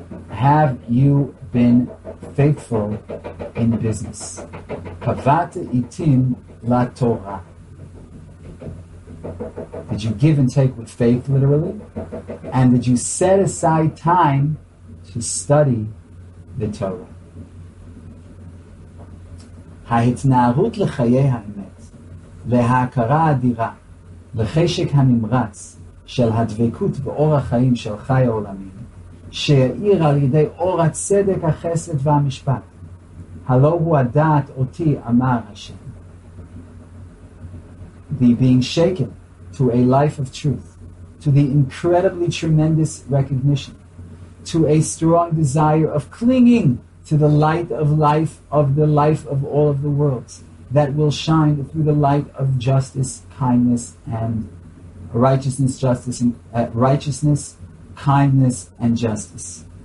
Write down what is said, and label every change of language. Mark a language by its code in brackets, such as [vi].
[en] Have you been faithful in business? [he] Kavata itim la Torah. [en] Did you give and take with faith, literally? And did you set aside time to study the Torah? [he] ההתנערות לחיי האמת, להכרה אדירה, לחשק הנמרץ של הדבקות באור החיים של חי העולמים, שיעיר על ידי אור הצדק, החסד והמשפט. הלא הוא הדעת אותי, אמר השם. [en] The being shaken to a life of truth, to the incredibly tremendous recognition, to a strong desire of clinging to the light of life, of the life of all of the worlds, that will shine through the light of justice, kindness, and righteousness, justice, and righteousness, kindness, and justice.